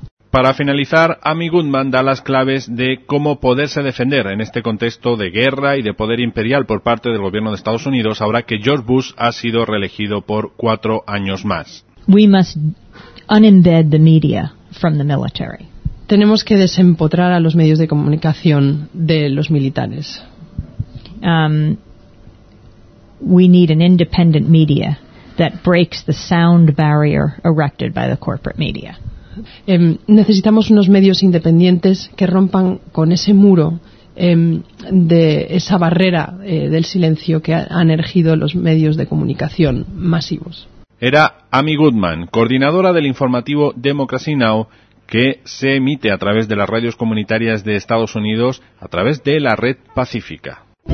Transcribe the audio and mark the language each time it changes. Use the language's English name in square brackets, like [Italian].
[Spanish] Para finalizar, Amy Goodman da las claves de cómo poderse defender en este contexto de guerra y de poder imperial por parte del gobierno de Estados Unidos ahora que George Bush ha sido reelegido por 4 años más. [English] We must unembed the media from the military. [Spanish] Tenemos que desempotrar a los medios de comunicación de los militares. [English] We need an independent media that breaks the sound barrier erected by the corporate media. [Spanish] Necesitamos unos medios independientes que rompan con ese muro de esa barrera del silencio que han erigido los medios de comunicación masivos. Era Amy Goodman, coordinadora del informativo Democracy Now!, que se emite a través de las radios comunitarias de Estados Unidos a través de la Red Pacífica.